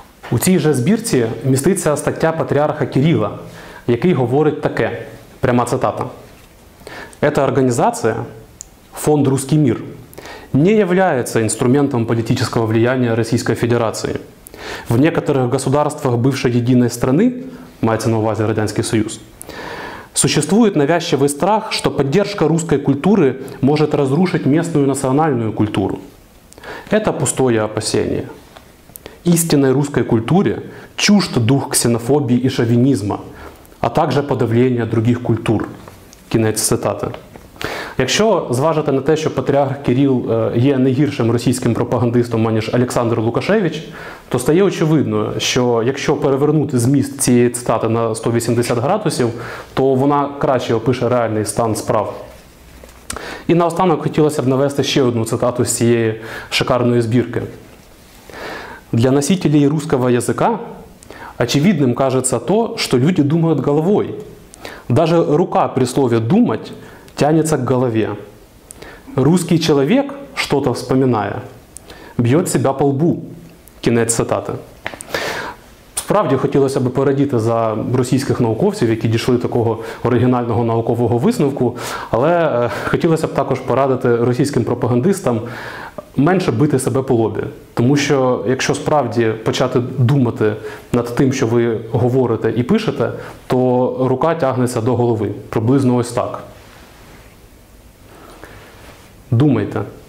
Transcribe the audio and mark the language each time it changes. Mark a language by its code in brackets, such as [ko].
[uk] У цій же збірці міститься стаття патріарха Кирила, який говорить таке, пряма цитата. «Эта організація, фонд «Русский мир», не являється інструментом політичного влияння Російської Федерації. [ru] В некоторых государствах бывшей единой страны, [uk] мається на увазі Радянський Союз, [ru] существует навязчивый страх, что поддержка русской культуры может разрушить местную национальную культуру. Это пустое опасение. Истинной русской культуре чужд дух ксенофобии и шовинизма, а также подавление других культур. [uk] Кінець цитати. Якщо зважити на те, що патріарх Кирил є не гіршим російським пропагандистом, аніж Олександр Лукашевич, то стає очевидно, що якщо перевернути зміст цієї цитати на 180 градусів, то вона краще опише реальний стан справ. І наостанок хотілося б навести ще одну цитату з цієї шикарної збірки. [ru] «Для носителей русского языка очевидным кажется то, что люди думают головой. Даже рука при слове «думать» тянется к голове. Русский человек, что-то вспоминая, бьет себя по лбу». [uk] Кінець цитати. Справді хотілося б порадіти за російських науковців, які дійшли такого оригінального наукового висновку, але хотілося б також порадити російським пропагандистам менше бити себе по лобі. Тому що якщо справді почати думати над тим, що ви говорите і пишете, то рука тягнеться до голови. Приблизно ось так. Думайте.